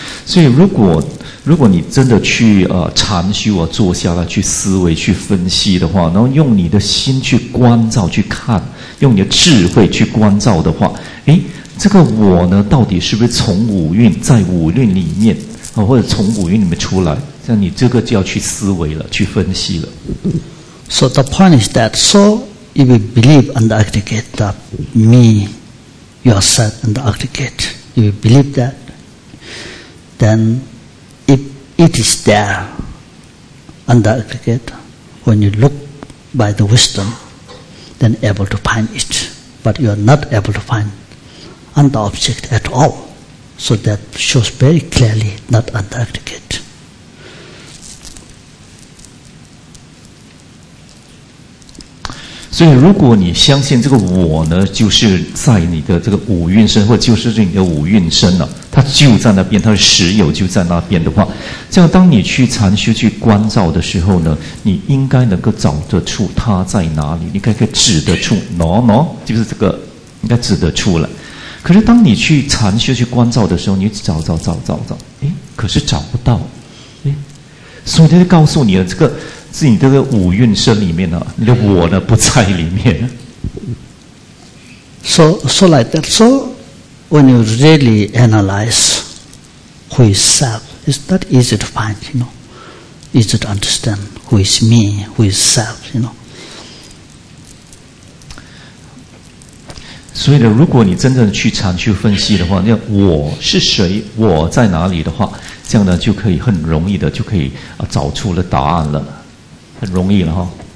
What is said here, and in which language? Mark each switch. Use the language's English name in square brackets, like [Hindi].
[Chinese] 所以如果你真的去禅修啊，坐下来去思维去分析的话，然后用你的心去观照去看，用你的智慧去观照的话，诶，这个我呢到底是不是从五蕴在五蕴里面或者从五蕴里面出来，像你这个就要去思维了，去分析了。 [English] So the point is that so you will believe and aggregate the me, yourself and the aggregate, you will believe that, then if it is there and the aggregate, when you look by the wisdom, then able to find it, but you are not able to findand the object at all. So that shows very clearly not an aggregate. So if you believe that this I is in your five senses, or it is in your five senses, it is there, it is there, it is there, it is there, then when you go to [Chinese] 禅修去观照的时候呢，你应该能够找得出它在哪里，你可以指得出 no, 就是这个，应该指得出来。可是当你去禅修去观照的时候，你找，诶，可是找不到，诶，所以他就告诉你了，这个是你这个五蕴身里面呢，你的我呢不在里面。 [English] So like that. So when you really analyze who is self, it's not easy to find, you know, easy to understand who is me, who is self, you know. [Chinese] 所以呢，如果你真正去禅去分析的话，那我是谁，我在哪里的话，这样呢就可以很容易的就可以找出了答案了，很容易了哈。